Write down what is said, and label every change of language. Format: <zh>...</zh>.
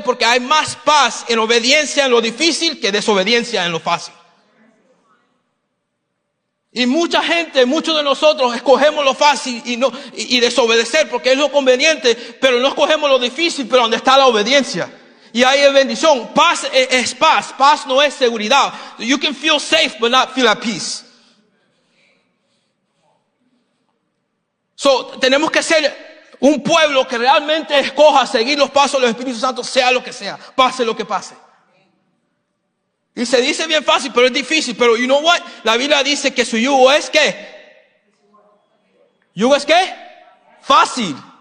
<es>Porque hay más paz en obediencia en lo difícil que desobediencia en lo fácil. Y mucha gente, muchos de nosotros escogemos lo fácil y desobedecer porque es lo conveniente, pero no escogemos lo difícil, pero donde está la obediencia. Y ahí es bendición. Paz es paz. Paz no es seguridad.</es> <en>You can feel safe but not feel at peace.</en> <es>So, tenemos que ser un pueblo que realmente escoja seguir los pasos del Espíritu Santo, sea lo que sea, pase lo que pase. Y se dice bien fácil, pero es difícil. Pero</es> <en>you know what?</en> <es>La Biblia dice que su yugo es ¿qué? ¿Yugo es qué? Fácil.</es>